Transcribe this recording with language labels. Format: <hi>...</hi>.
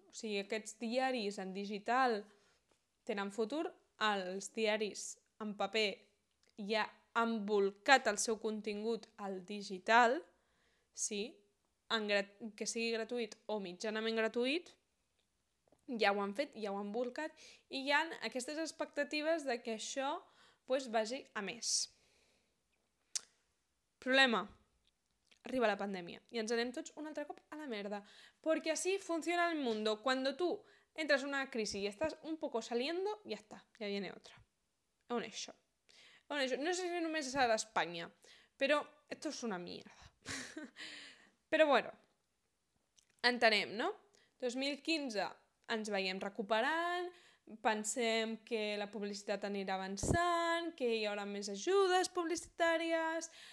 <ca>O sigui, aquests diaris en digital tenen futur, els diaris en paper ja han embolcat el seu contingut al digital, sí, que sigui gratuït o mitjanament gratuït, ja ho han fet, ja ho han embolcat, i hi ha aquestes expectatives de que això pues, vagi a més. Problema. Arriba la pandèmia i ens anem tots un altre cop a la merda.</ca> <es>Porque así funciona el mundo. Cuando tú entras en una crisis y estás un poco saliendo, ya está, ya viene otra. Es un hecho.</es> <ca>No sé si només és a l'Espanya, però</ca> <es>esto es una mierda.</es> <ca>Però bueno, entenem, no? 2015 ens veiem recuperant, pensem que la publicitat anirà avançant, que hi haurà més ajudes publicitàries,</ca>